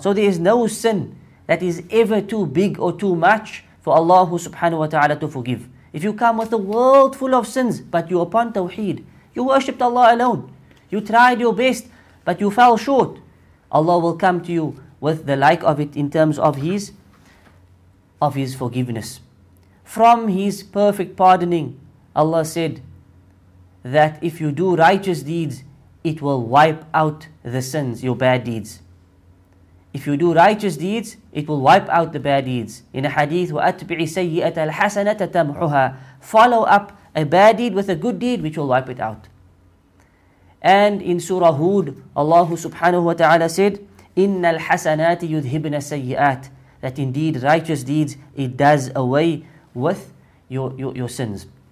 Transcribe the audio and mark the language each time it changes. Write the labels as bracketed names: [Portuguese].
[English] So there is no sin that is ever too big or too much for Allah subhanahu wa ta'ala to forgive. If you come with a world full of sins, but you upon tawheed, you worshipped Allah alone, you tried your best, but you fell short, Allah will come to you with the like of it in terms of His forgiveness. From His perfect pardoning, Allah said that if you do righteous deeds, it will wipe out the sins, your bad deeds. If you do righteous deeds, it will wipe out the bad deeds. In a hadith, [Arabic] وَأَتْبِعِ سَيِّئَةَ الْحَسَنَةَ تَمْحُهَا. [English] Follow up a bad deed with a good deed, which will wipe it out. And in Surah Hud, Allah subhanahu wa ta'ala said, [Arabic] إِنَّ الْحَسَنَاتِ يُذْهِبْنَ السَّيِّئَاتِ. [English] That indeed righteous deeds, it does away with your sins.